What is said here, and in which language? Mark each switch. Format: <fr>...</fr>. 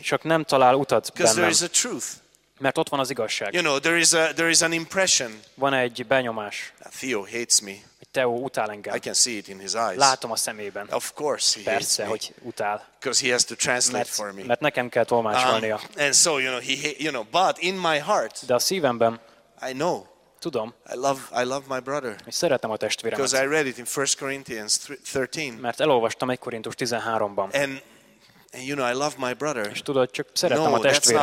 <hu>Csak nem talál utat bennem.</hu> <en>There is a truth.</en> <hu>Mert ott van az igazság.</hu> <en>You know, there is an impression.</en> <hu>Van egy benyomás.</hu> <en>Theo hates me.</en> <hu>Teo utál engem.</hu> <en>I can see it in his eyes.</en> <hu>Látom a szemében.</hu> <en>Of course he</en> <hu>persze,</hu> <en>hates</en> <hu>hogy utál.</hu> <en>Because he has to translate for me.</en> <hu>Mert nekem kell tolmácsolnia.</hu> <en>And so you know he you know but in my heart.</en> <hu>De a szívemben.</hu> <en>I know.</en> <hu>Tudom.</hu> <en>I love my brother.</en> <hu>És szeretem a testvéremet.</hu> <en>Because I read it in 1 Corinthians 13.</en> <hu>Mert elolvastam 1 Korintus 13-ban.</hu> <en>And you know I love my brother.</en> <hu>És tudod, csak szeretem a testvérem.</hu>